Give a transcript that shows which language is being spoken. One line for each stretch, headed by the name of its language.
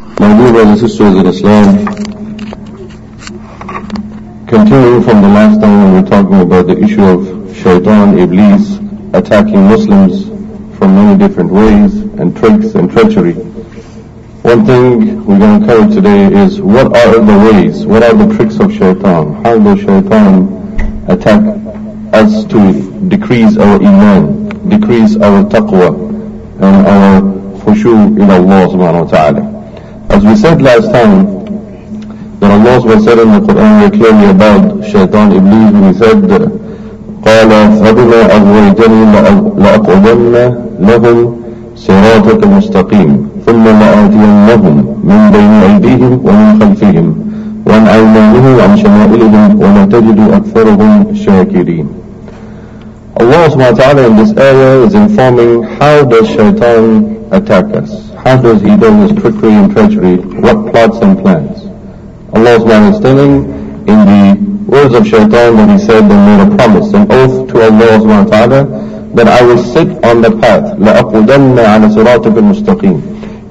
English: my dear brothers and sisters in Islam, continuing from the last time when we were talking about the issue of shaitan, iblis, attacking Muslims from many different ways and tricks and treachery, one thing we're going to cover today is what are the ways, what are the tricks of shaitan, how does shaitan attack us to decrease our iman, decrease our taqwa and our khushu in Allah subhanahu wa ta'ala. As we said last time, that Allah said in the Quran very clearly about shaitan iblis, when he said,
Arabic: قَالَ فَبِمَا أَغْوَيْتَنِي لَأَقْعُدَنَّ لَهُمْ صِرَاطَكَ مُسْتَقِيمٌ ثُمَّ لَأَتِيَنَّهُمْ مِنْ بَيْنِ أَيْدِيهِمْ وَمِنْ خَلْفِهِمْ وَعَنْ أَيْمَانِهِمْ وَعَنْ شَمَائِلِهِمْ وَمَا تَجِدُ أَكْثَرُهُمْ شَاكِرِينَ.
English: Allah subhanahu wa ta'ala in this ayah is informing how does shaitan attack us. How does he do his trickery and treachery? What plots and plans? Allah subhanahu is telling in the words of shaitan that he said and made a promise, an oath to Allah subhanahu wa ta'ala, that I will sit on the path,
Arabic: لَأَقْوْدَنَّ عَلَى صِرَاطِكَ الْمُسْتَقِيمِ.